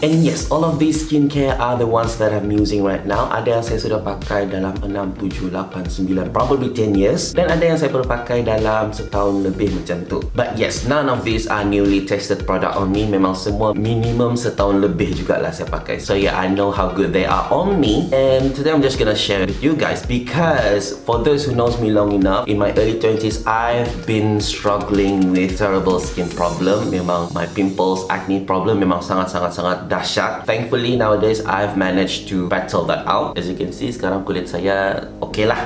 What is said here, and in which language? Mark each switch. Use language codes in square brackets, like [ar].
[en] And yes, all of these skincare are the ones that I'm using right now. [ms] Ada yang saya sudah pakai dalam 6, 7, 8, 9, [en] probably 10 years. [ms] Dan ada yang saya perlu pakai dalam setahun lebih macam tu. [en] But yes, none of these are newly tested product on me. [ms] Memang semua minimum setahun lebih jugalah saya pakai. [en] So yeah, I know how good they are on me. And today I'm just gonna share with you guys because for those who knows me long enough, in my early 20s, I've been struggling with terrible skin problem. [ms] Memang [en] my pimples, acne problem [ms] memang sangat-sangat-sangat dahsyat. [en] Thankfully, nowadays, I've managed to battle that out. As you can see, [ms] sekarang kulit saya okay lah.